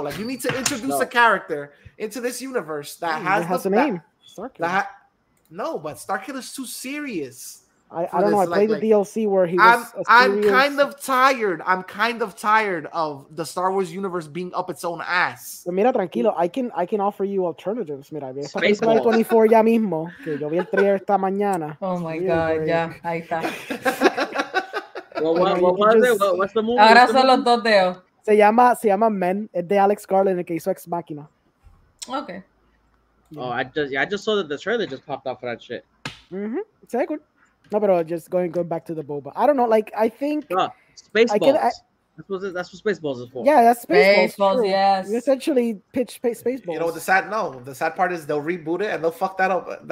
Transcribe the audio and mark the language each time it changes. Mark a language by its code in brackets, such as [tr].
[en] Like, you need to introduce a character into this universe that has a name. Starkiller's too serious. I don't know, I played the DLC where he was... I'm kind of tired of the Star Wars universe being up its own ass. [es] Pero mira, tranquilo, [en] I can offer you alternatives. [es] Mira, voy a estar en Play 24 ya mismo, que yo vi el trailer esta mañana. [en] Oh my really God, great. Yeah, [es] ahí está. [en] what's the movie? [es] Ahora son los dos de ellos. Se llama Men, es de Alex Garland, el que hizo Ex Machina. [en] Okay. Yeah. Oh, I just saw that the trailer just popped out for that shit. Mm-hmm, it's very good. No, but just going back to the Boba. I don't know. Like, I think... Spaceballs. That's what Spaceballs is for. Yeah, that's Spaceballs, yes. You essentially pitch Spaceballs. You know, the sad part is they'll reboot it and they'll fuck that up.